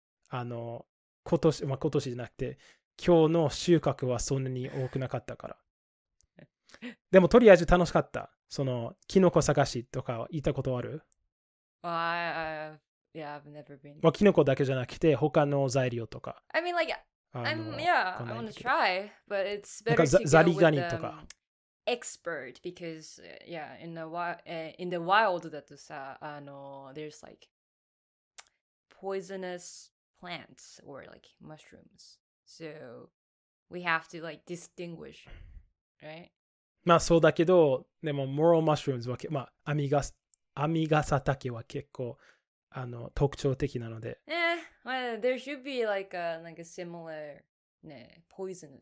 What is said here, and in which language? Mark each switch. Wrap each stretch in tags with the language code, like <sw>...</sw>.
<ja>あの今年、まあ、今年じゃなくて今日の収穫はそんなに多くなかったからでもとりあえず楽しかった。そのキノコ探しとか行ったことある？</ja> <en>Well, I, I, yeah, I've never been、</en> <ja>まあ、キノコだけじゃなくて他の材料とか、</ja> <en>I mean like I'm, yeah, I want to try but it's better to go with the expert because yeah in the wild</en> <ja>だとさあの</ja> <en>there's like poisonous plants or like mushrooms so we have to like distinguish right</en> <ja>まあそうだけどでもモラルマッシュルームズはまあアミガサタケは結構あの特徴的なので、</ja> <en>yeah well there should be like a similar ね、poisonous、</en>